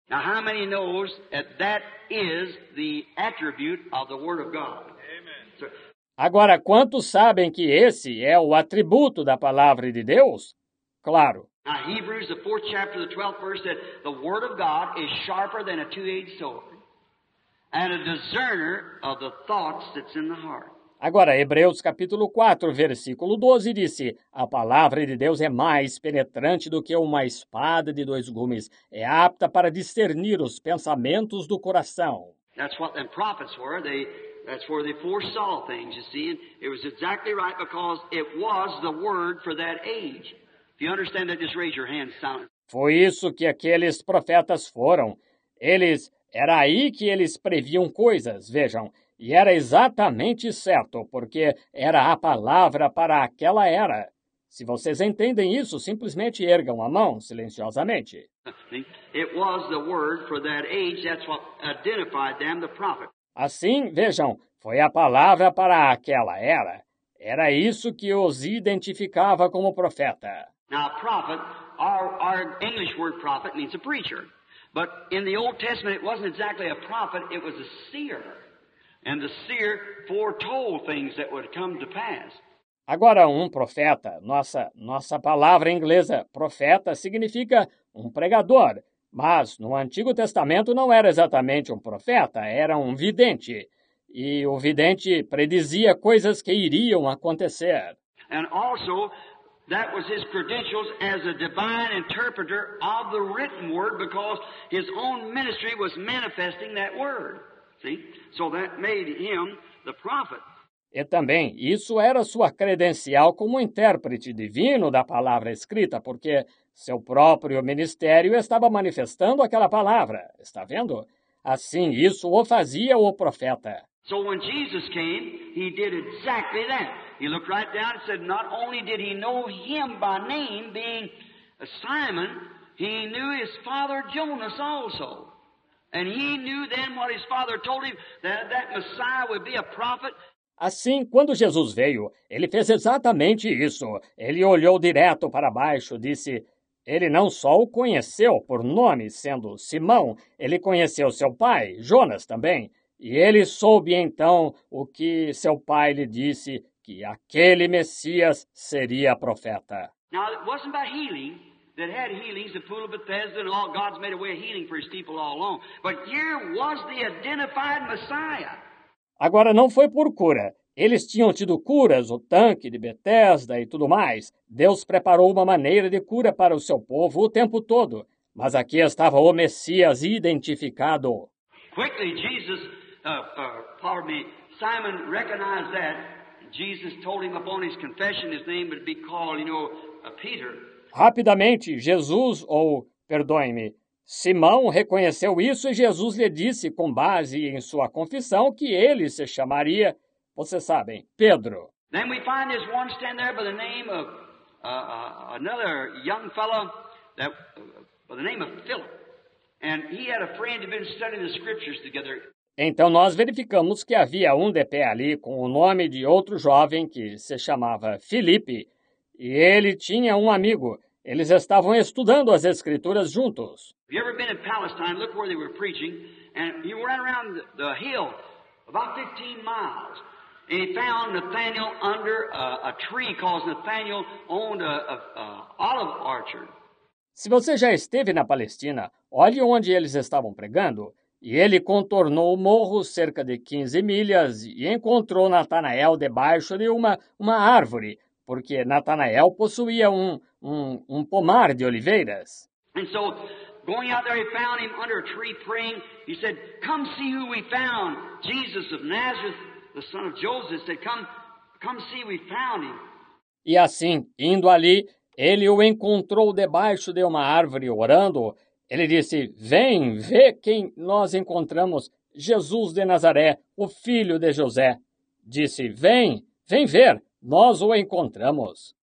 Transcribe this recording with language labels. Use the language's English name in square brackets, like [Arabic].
[English] Now, how many knows that that is the attribute of the Word of God? Amen. [Portuguese] Agora, quantos sabem que esse é o atributo da palavra de Deus? Claro. [English] Now, Hebrews, the 4th chapter, the 12th verse, said, the Word of God is sharper than a two-edged sword, and a discerner of the thoughts that's in the heart. [Portuguese] Agora, Hebreus, capítulo 4, versículo 12, disse, a palavra de Deus é mais penetrante do que uma espada de dois gumes, é apta para discernir os pensamentos do coração. [English] That's what the prophets were. That's where they foresaw things, you see, and it was exactly right because it was the word for that age. If you understand that, just raise your hand, silently. [Portuguese] Foi isso que aqueles profetas foram. Eles, era aí que eles previam coisas, vejam. E era exatamente certo, porque era a palavra para aquela era. Se vocês entendem isso, simplesmente ergam a mão silenciosamente. [English] It was the word for that age, that's what identified them, the prophet. [Portuguese] Assim, vejam, foi a palavra para aquela era. Era isso que os identificava como profeta. [English] Now, a prophet, our English word prophet means a preacher. But in the Old Testament, it wasn't exactly a prophet, it was a seer. And the seer foretold things that would come to pass. [Portuguese] Agora, um profeta, nossa palavra inglesa, profeta, significa um pregador. Mas no Antigo Testamento não era exatamente um profeta, era um vidente. E o vidente predizia coisas que iriam acontecer. [English] And also, that was his credentials as a divine interpreter of the written word because his own ministry was manifesting that word. See? So that made him the prophet. [Portuguese] E também, isso era sua credencial como intérprete divino da palavra escrita, porque seu próprio ministério estava manifestando aquela palavra. Está vendo? Assim, isso o fazia o profeta. [English] So when Jesus came, he did exactly that. He looked right down and said, not only did he know him by name, being Simon, he knew his father Jonas also. And he knew then what his father told him, that Messiah would be a prophet. [Portuguese] Assim, quando Jesus veio, ele fez exatamente isso. Ele olhou direto para baixo, disse, ele não só o conheceu por nome, sendo Simão, ele conheceu seu pai, Jonas também. E ele soube então o que seu pai lhe disse, que aquele Messias seria profeta. [English] Now, it wasn't by healing that had healings, the pool of Bethesda, and all God's made a way of healing for his people all along. But here was the identified Messiah. [Portuguese] Agora, não foi por cura, Eles tinham tido curas, o tanque de Betesda e tudo mais. Deus preparou uma maneira de cura para o seu povo o tempo todo. Mas aqui estava o Messias identificado. [English] Quickly, Jesus, pardon me, Simon recognized that. Jesus told him upon his confession his name would be called, you know, Peter. [Portuguese] Rapidamente, Jesus, ou, perdoe-me, Simão reconheceu isso e Jesus lhe disse, com base em sua confissão, que ele se chamaria, vocês sabem, Pedro. [English] Then we find this one stand there by the name of another young fellow that by the name of Philip. And he had a friend who had been studying the scriptures together. [Portuguese] Então nós verificamos que havia um de pé ali com o nome de outro jovem que se chamava Filipe, e ele tinha um amigo. Eles estavam estudando as escrituras juntos. [English] Have you ever been in Palestine? Look where they were preaching, and he ran around the hill about 15 miles. And he found Nathaniel under a tree because Nathaniel owned a olive orchard. [Portuguese] Se você já esteve na Palestina, olhe onde eles estavam pregando. E ele contornou o morro cerca de 15 milhas e encontrou Natanael debaixo de uma árvore, porque Natanael possuía um pomar de oliveiras. [English] And so, going out there, he found him under a tree praying. He said, come see who we found. Jesus of Nazareth, the son of Joseph, said, come see we found him. [Portuguese] E assim, indo ali, ele o encontrou debaixo de uma árvore orando. Ele disse, vem, vê quem nós encontramos, Jesus de Nazaré, o filho de José. Disse, vem, vem ver, nós o encontramos.